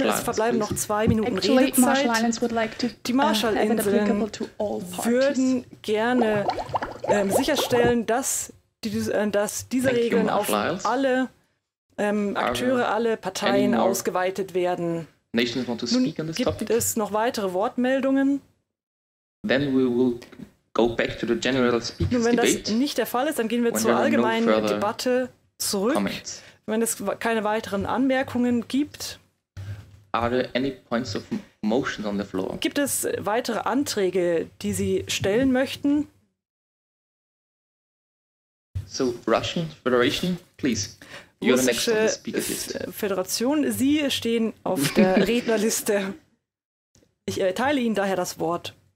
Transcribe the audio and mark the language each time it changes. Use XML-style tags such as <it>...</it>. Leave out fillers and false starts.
<de>Es verbleiben noch 2 Minuten Redezeit. Die Marshallinseln würden gerne sicherstellen, dass diese Regeln auf alle Akteure, alle Parteien ausgeweitet werden. Nun gibt es noch weitere Wortmeldungen.</de> <en>Then we will go back to the general speakers debate.</en> <de>Wenn das nicht der Fall ist, dann gehen wir zur allgemeinen Debatte zurück. Wenn es keine weiteren Anmerkungen gibt.</de> <en>Are there any points of motion on the floor?</en> <de>Gibt es weitere Anträge, die Sie stellen möchten?</de> <en>So, Russian Federation, please. You're the next on the speaker list.</en> <de>Föderation, Sie stehen auf der Rednerliste. Ich erteile Ihnen daher das Wort.</de>